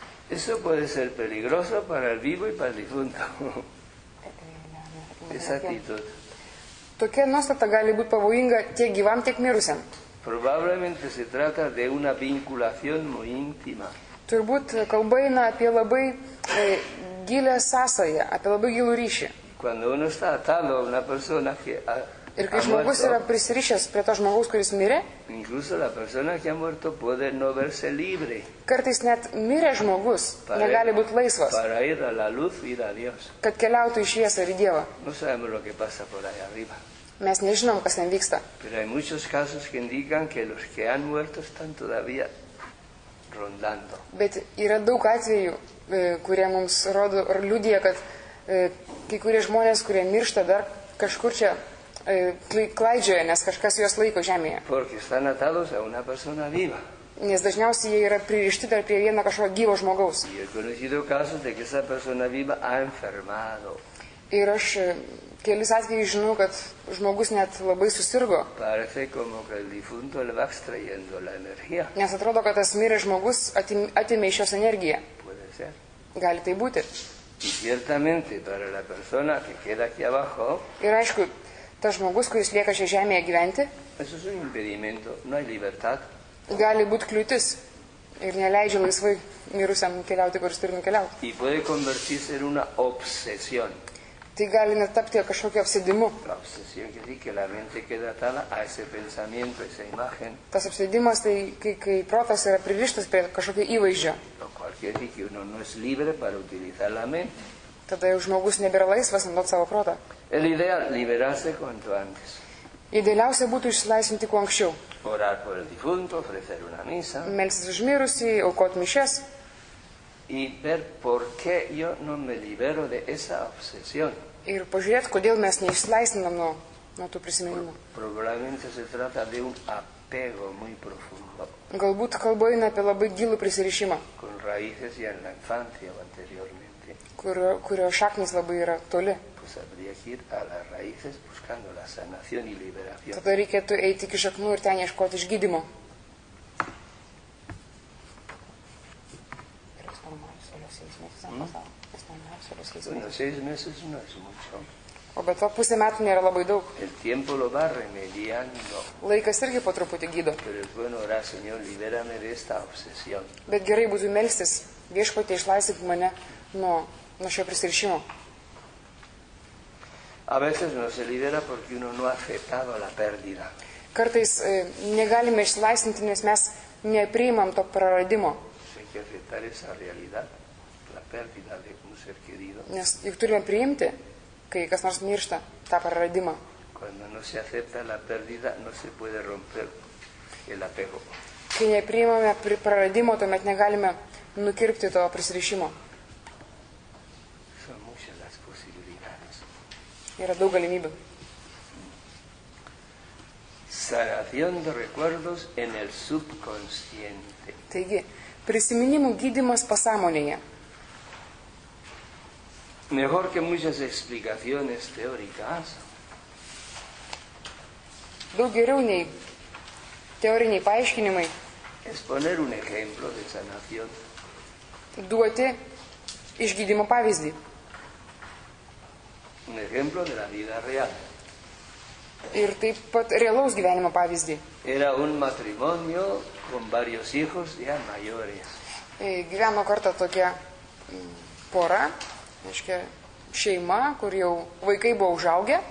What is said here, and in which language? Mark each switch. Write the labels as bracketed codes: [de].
[es] Eso puede ser peligroso para el vivo y para el difunto. Esa actitud. [lt] Tokia nuostata gali būti pavojinga tiek gyvam, tiek mirusiam. [es] Probablemente se trata de una vinculación muy íntima. [lt] Turbūt kalba eina apie labai gilią sąsają, apie labai gilų ryšį. [es] Cuando uno está atado a una persona que ha [lt] Ir kai žmogus yra prisirišęs prie to žmogaus, kuris mirė, [es] incluso la persona que ha muerto puede no verse libre. [lt] Kartais net mirė žmogus negali būti laisvas. [es] Para ir a la luz ir a Dios. [lt] Kad keliautų į šviesą ir į Dievą. [es] No sabemos lo que pasa por ahí arriba. [lt] Mes nežinom, kas ten vyksta. [es] Pero hay muchos casos que indican que los que han muerto están todavía rondando. [lt] Bet yra daug atvejų, kurie mums rodo ar liudija, kad kai kurie žmonės, kurie miršta, dar kažkur čia klaidžioje, nes kažkas juos laiko žemėje. [es] Porque están atados a una persona viva. [lt] Nes dažniausiai jie yra pririšti dar prie vieno kažko gyvo žmogaus. [es] Y he conocido casos de que esa persona viva ha enfermado. [lt] Ir aš kelis atvejus žinau, kad žmogus net labai susirgo. [es] Parece como que el difunto le va extrayendo la energía. [lt] Nes atrodo, kad tas miręs žmogus atimė iš jos energiją. [es] Puede ser. [lt] Gali tai būti. [es] Y ciertamente para la persona que queda aquí abajo. [lt] Ir aišku, tas žmogus, kuris lieka šią žemėje gyventi, [es] eso es un impedimento, no hay libertad. [lt] Gali būti kliūtis ir neleidžia laisvai mirusiam keliauti, kur jis turi nukeliauti. [es] Y puede convertirse en una obsesión. [lt] Tai gali net tapti kažkokiu apsėdimu. [es] La obsesión que dice que la mente queda atada a ese pensamiento, a esa imagen. [lt] Tas apsėdimas, tai kai protas yra pririštas prie kažkokio įvaizdžio. [es] Lo cual quiere decir que uno no es libre para utilizar la mente. [lt] Tada jau žmogus nebėra laisvas naudot savo protą. [es] El ideal, liberarse cuanto antes. [lt] Idealiausia būtų išsilaisvinti kuo anksčiau. [es] Orar por el difunto, ofrecer una misa. [lt] Melstis už mirusį, aukoti mišes. [es] Y ver por qué yo no me libero de esa obsesión. [lt] Ir pažiūrėt, kodėl mes neišsilaisvinam nuo tų prisiminimų. [es] Probablemente se trata de un apego muy profundo. [lt] Galbūt kalba eina apie labai gilų prisirišimą. [es] Con raíces ya en la infancia o anteriormente. [lt] Kurio šaknis labai yra toli. [es] Pues habría que ir a las raíces buscando la sanación y liberación. [lt] Tada reikėtų eiti iki šaknų ir ten ieškoti išgydymo. Ir eksponuojus. [es] Solo 6 meses han pasado. Están solo 6 meses. [lt] O bet to pusė metų nėra labai daug. [es] El tiempo lo va remediando. [lt] Laikas irgi po truputį gydo. [es] Pero bueno, ora, señor, libérame de esta obsesión. [lt] Bet gerai būtų melstis, Viešpatie, išlaisvink mane nuo šio prisirišimo. [es] A veces no se libera porque uno no ha aceptado la pérdida. [lt] Kartais negalime išlaisvinti, nes mes nepriimam to praradimo. [es] Hay que aceptar esa realidad, la pérdida de un ser querido. [lt] Nes juk turime priimti, kai kas nors miršta, tą praradimą. [es] Cuando no se acepta la pérdida, no se puede romper el apego. [lt] Kai nepriimame praradimo, tuomet negalime nukirpti to prisirišimo. [es] Son muchas las posibilidades. [lt] Yra daug galimybių. [es] Sanación de recuerdos en el subconsciente. [lt] Taigi, prisiminimų gydymas pasąmonėje. [es] Mejor que muchas explicaciones teóricas. [lt] Daug geriau nei teoriniai paaiškinimai. [es] Exponer un ejemplo de sanación. [lt] Duoti išgydymo pavyzdį. [es] Un ejemplo de la vida real. [lt] Ir taip pat realaus gyvenimo pavyzdį. [es] Era un matrimonio con varios hijos ya mayores. [lt] Gyveno kartą tokia pora. Reiškia, šeima, kur jau vaikai buvo užaugę.